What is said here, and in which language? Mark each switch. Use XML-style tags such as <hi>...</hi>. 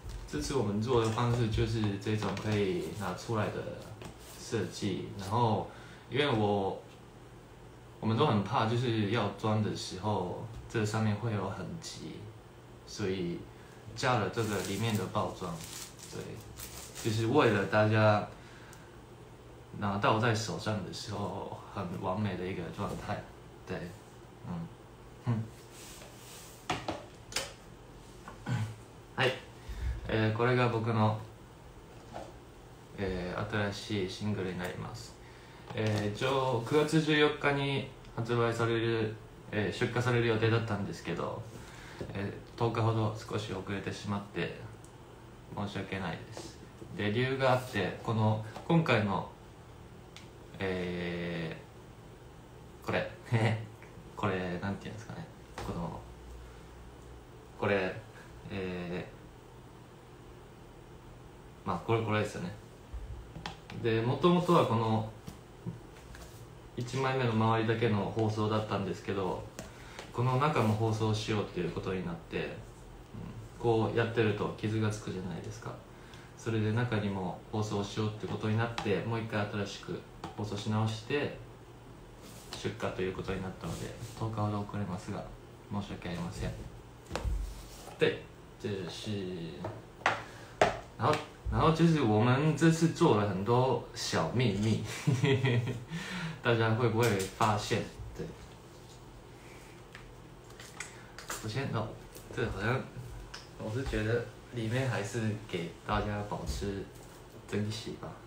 <zh>这次我们做的方式就是这种可以拿出来的设计，然后因为我们都很怕就是要装的时候这上面会有痕迹，所以加了这个里面的包装，对，就是为了大家拿到在手上的时候很完美的一个状态，对，嗯，哼，哎。</zh> <ja>これが僕の、新しいシングルになります。 9月14日に発売される、出荷される予定だったんですけど、10日ほど少し遅れてしまって申し訳ないです。で、理由があって、この今回の、これこれなんていうんですかね、このこれ、まあこれこれですよね。で、もともとはこの1枚目の周りだけの放送だったんですけど、この中も放送しようっていうことになって、こうやってると傷がつくじゃないですか。それで中にも放送しようってことになって、もう一回新しく放送し直して出荷ということになったので、10日ほど遅れますが申し訳ありません。</ja> <zh>で、这是然后就是我们这次做了很多小秘密大家会不会发现？对，首先哦，这好像我是觉得里面还是给大家保持珍惜吧。</zh>